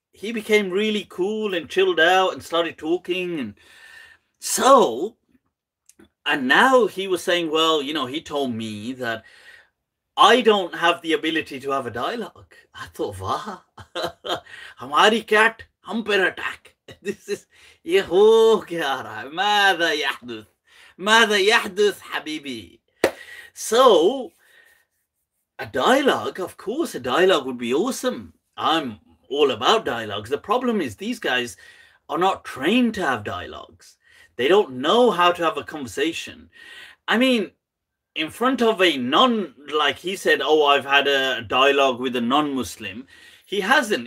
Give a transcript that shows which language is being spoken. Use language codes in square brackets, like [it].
[en] He became really cool and chilled out and started talking. And now he was saying, well, he told me that I don't have the ability to have a dialogue. I thought, wow, [ur] ہماری [en] cat، [ur] ہم پر [en] attack۔ This is, [ur] یہ ہو کیا رہا ہے، [ar] ماذا یحدث، حبیبی۔ [en] So, a dialogue, of course, a dialogue would be awesome. I'm all about dialogues. The problem is, these guys are not trained to have dialogues. They don't know how to have a conversation. I mean, in front of a non, like he said, oh, I've had a dialogue with a non-Muslim. He hasn't.